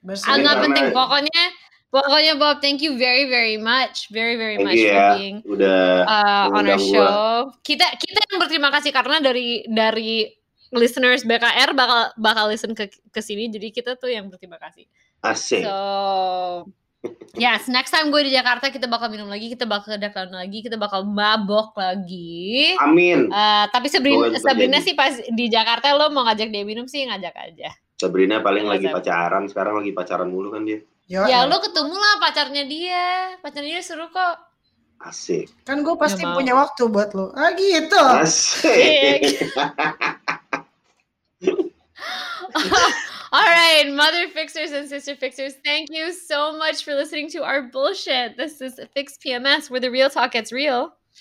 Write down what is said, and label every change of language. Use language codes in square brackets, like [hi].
[id] Enggak penting, pokoknya [en] Bob, thank you very, very much yeah. For being [id] udah [en] on our show. [id] Kita yang berterima kasih karena dari listeners BKR bakal listen ke sini, jadi kita tuh yang berterima kasih. Asik. [en] So yes, next time [id] gue di Jakarta kita bakal minum lagi, kita bakal kedatangan lagi, kita bakal mabok lagi. Amin. Tapi Sabrina sih pas di Jakarta lo mau ngajak dia minum sih ngajak aja. Sabrina paling lagi pacaran, sekarang lagi pacaran mulu kan dia. Ya lo ketemu lah pacarnya dia seru kok. Asik. Kan gue pasti punya waktu buat lo. Ah gitu. Asik. [en] All right, Mother Fixers and Sister Fixers, thank you so much for listening to our bullshit. This is Fix PMS, where the real talk gets real.